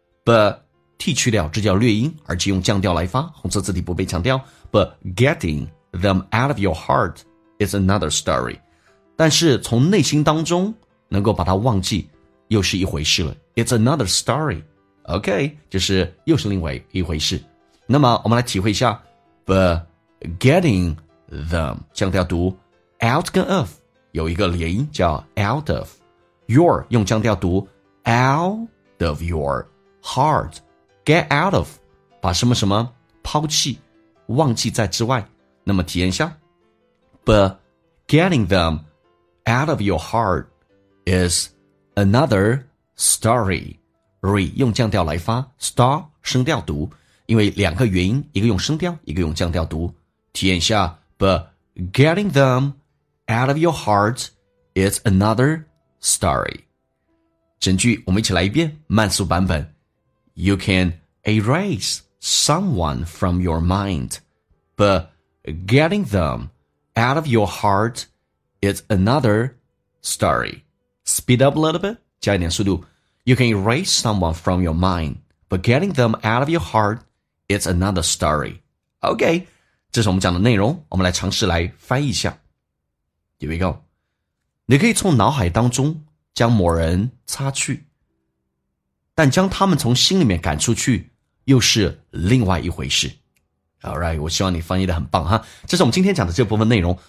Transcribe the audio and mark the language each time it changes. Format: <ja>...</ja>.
<zh>But 剃去掉，这叫略音，而且用降调来发，红色字体不被强调。</zh> <en>But getting them out of your heart is another story.</en> <zh>但是从内心当中能够把它忘记又是一回事了。</zh> <en>It's another story. OK,</en> <zh>就是又是另外一回事。那么我们来体会一下</zh> <en>But getting them,</en> <zh>降调读 out 跟 of, 有一个连音叫 out of, your 用降调读</zh> <en>out of your heart, get out of,</en> <zh>把什么什么抛弃忘记在之外。那么体验一下</zh> <en>But getting them out of your heart isAnother story.</en> <zh>Re 用降调来发 Star 声调读，因为两个元音，一个用声调，一个用降调读，体验一下</zh> <en>But getting them out of your heart is another story.</en> <zh>整句我们一起来一遍慢速版本。</zh> <en>You can erase someone from your mind, but getting them out of your heart is another story. Speed up a little bit,</en> <zh>加一点速度。</zh> <en>You can erase someone from your mind, but getting them out of your heart is another story.</en> <zh>OK, 这是我们讲的内容，我们来尝试来翻译一下。</zh> <en>Here we go.</en> <zh>你可以从脑海当中将某人擦去，但将他们从心里面赶出去又是另外一回事。 Alright, 我希望你翻译得很棒哈。这是我们今天讲的这部分内容。</zh>